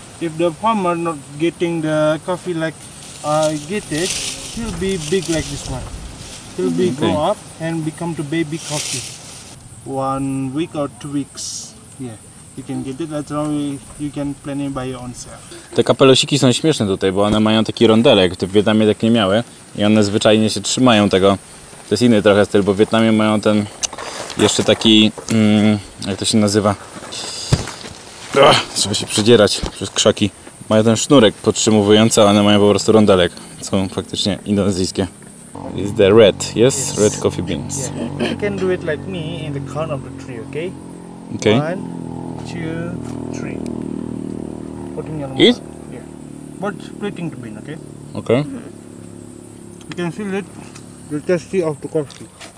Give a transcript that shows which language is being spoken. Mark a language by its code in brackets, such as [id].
[en] If the farmer not getting the coffee like I get it, he'll be big like this one. He'll be okay. Grow up and become the baby coffee. 1 week or 2 weeks. Yeah. You can get it, later on you can plan it by your own self. [pl] Te kapelusiki są śmieszne tutaj, bo one mają taki rondelek, w Wietnamie tak nie miały i one zwyczajnie się trzymają tego. To jest inny trochę styl, bo w Wietnamie mają ten jeszcze taki jak to się nazywa? Trzeba się przedzierać przez krzaki. Mają ten sznurek podtrzymujący, a one mają po prostu rondelek. Są faktycznie indonezyjskie. [en] It's the red, yes? Yes. Red coffee beans. Yeah. You can do it like me in the corner of the tree, okay? Okay. 1, 2, 3. Putting your mouth. Yeah. But splitting the bean, okay? Okay. You can feel it. The taste of the coffee.